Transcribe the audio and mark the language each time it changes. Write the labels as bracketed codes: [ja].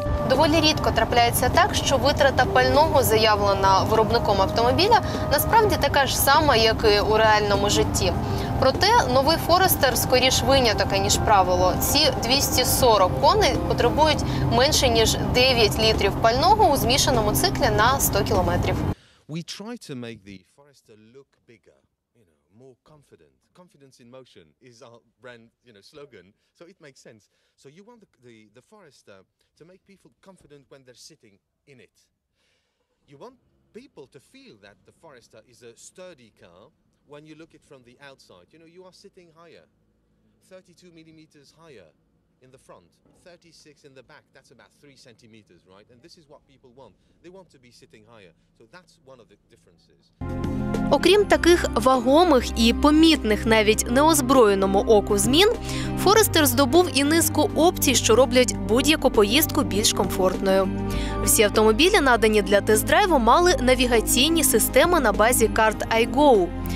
[uk] Доволі рідко трапляється так, що витрата пального, заявлена виробником автомобіля, насправді така ж сама, як і у реальному житті. Проте новий Форестер скоріш виняток, ніж правило. Ці 240 коней потребують менше, ніж 9 літрів пального у змішаному циклі на 100 кілометрів. [en] We try to make the Forester look bigger, you know, more confident. Confidence in motion is our brand, you know, slogan. So it makes sense. So you want the Forester to make people confident when they're sitting in it. You want people to feel that the Forester is a sturdy car. When you look at it from the outside, you know, you are sitting higher, 32 millimeters higher in the front, 36 in the back, that's about 3 centimeters, right? And this is what people want. They want to be sitting higher. So that's one of the differences. [uk] Окрім таких вагомих і помітних навіть неозброєному оку змін, Форестер здобув і низку опцій, що роблять будь-яку поїздку більш комфортною. Всі автомобілі, надані для тест-драйву, мали навігаційні системи на базі карт iGo.